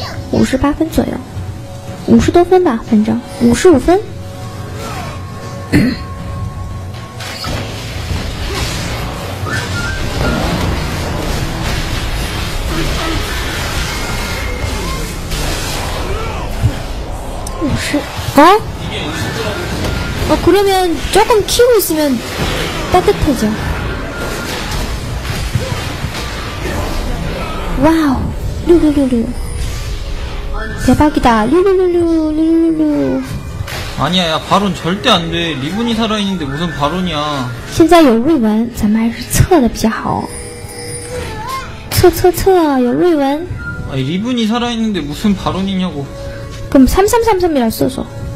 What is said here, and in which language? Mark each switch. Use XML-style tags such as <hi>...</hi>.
<zh>58分左右50多分吧反正55分</zh> <ko>어어그러면조금키고있으면따뜻해져 와우 룰루루루 대박이다 룰루루루 룰루루. 아니야 야 발언 절대 안돼. 리본이 살아있는데 무슨 발언이야.</ko> <zh>现在有瑞文 咱们还是撤的比较好. 撤撤撤 有瑞文.</zh> <ko>아니 리본이 살아있는데 무슨 발언이냐고. 그럼 삼삼삼삼이라 써줘.</ko>